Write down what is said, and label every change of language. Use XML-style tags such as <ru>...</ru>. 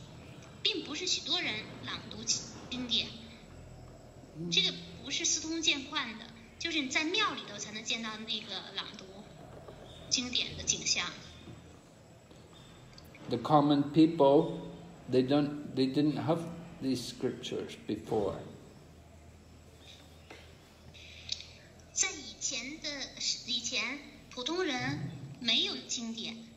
<zh>如果小型学习经典的话，就要到那个人们朗读经典的地方去学习，并不是许多人朗读经典。这个不是司空见惯的，就是你在庙里头才能见到那个朗读经典的景象。</zh> <en>The common people, they didn't have these scriptures before.</en> <zh>在以前普通人没有经典，</zh>